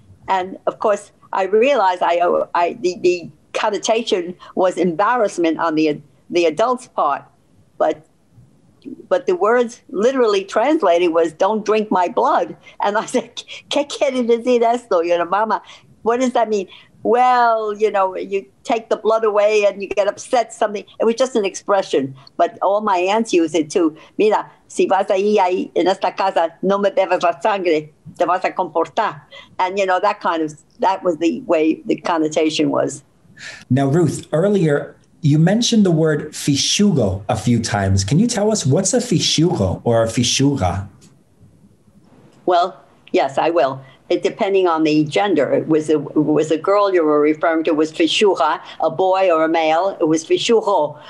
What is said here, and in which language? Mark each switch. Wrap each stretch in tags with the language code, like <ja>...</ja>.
<en>And of course, I realized the connotation was embarrassment on the adult's part. But the words literally translated was, don't drink my blood. And I said,</en> <es>¿qué quiere decir esto?</es> <en>You know, mama, what does that mean? Well, you know, you take the blood away and you get upset, something. It was just an expression. But all my aunts use it too.</en> <es>Mira, si vas a ir ahí en esta casa, no me bebas la sangre, te vas a comportar.</es> <en>And, you know, that was the way the connotation was. Now, Ruth, earlier you mentioned the word fichugo a few times. Can you tell us what's a fichugo or a fichuga? Well, yes, I will. It, depending on the gender, it was a girl you were referring to, was fichuga, a boy or a male, it was fichugo.</en>